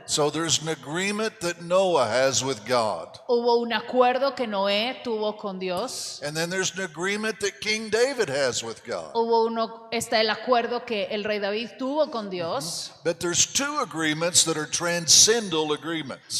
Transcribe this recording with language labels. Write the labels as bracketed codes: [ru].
[en] So there's an agreement that Noah has with God. [es] Hubo un acuerdo que Noé tuvo con Dios. [en] And then there's an agreement that King David has with God. [es] Está el acuerdo que el rey David tuvo con Dios. Mm-hmm. [en] But there's two agreements that are transcendental agreements.